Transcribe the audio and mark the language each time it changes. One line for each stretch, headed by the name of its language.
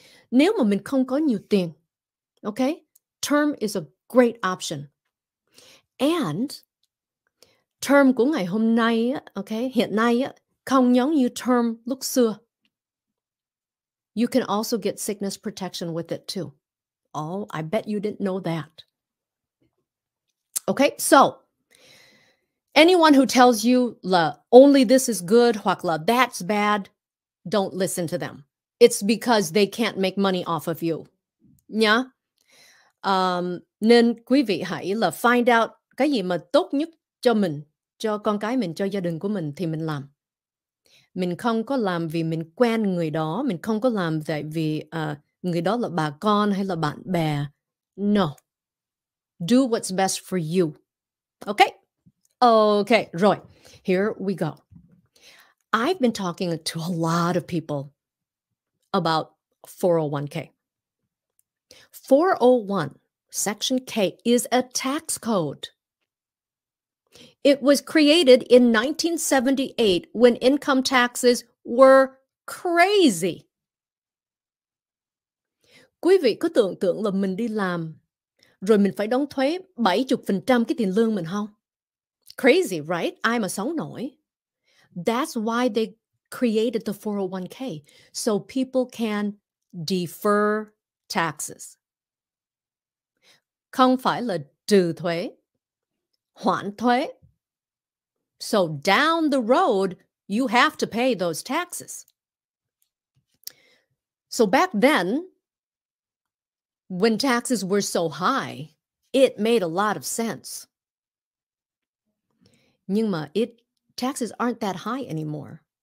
Vietnamese: Nếu mà mình không có nhiều tiền, okay?
English: Term is a great option.
Vietnamese: And term của ngày hôm nay, okay, hiện nay, không giống như term lúc xưa.
English: You can also get sickness protection with it too. Oh, I bet you didn't know that. Okay, so anyone who tells you la only this is good,
Vietnamese: hoặc la
English: that's bad, don't listen to them. It's because they can't make money off of you. Yeah?
Vietnamese: Nên quý vị hãy là
English: find out
Vietnamese: cái gì mà tốt nhất cho mình. Cho con cái mình, cho gia đình của mình thì mình làm. Mình không có làm vì mình quen người đó. Mình không có làm tại vì người đó là bà con hay là bạn bè.
English: No. Do what's best for you. Okay? Okay, rồi. Here we go. I've been talking to a lot of people about 401k. 401, Section K, is a tax code. It was created in 1978 when income taxes were crazy.
Vietnamese: Quý vị có tưởng tượng là mình đi làm rồi mình phải đóng thuế 70% cái tiền lương mình không?
English: Crazy, right?
Vietnamese: Ai mà sống nổi?
English: That's why they created the 401k, so people can defer taxes.
Vietnamese: Không phải là trừ thuế, hoãn thuế.
English: So down the road, you have to pay those taxes. So back then, when taxes were so high, it made a lot of sense.
Vietnamese: Nhưng mà
English: taxes aren't that high anymore.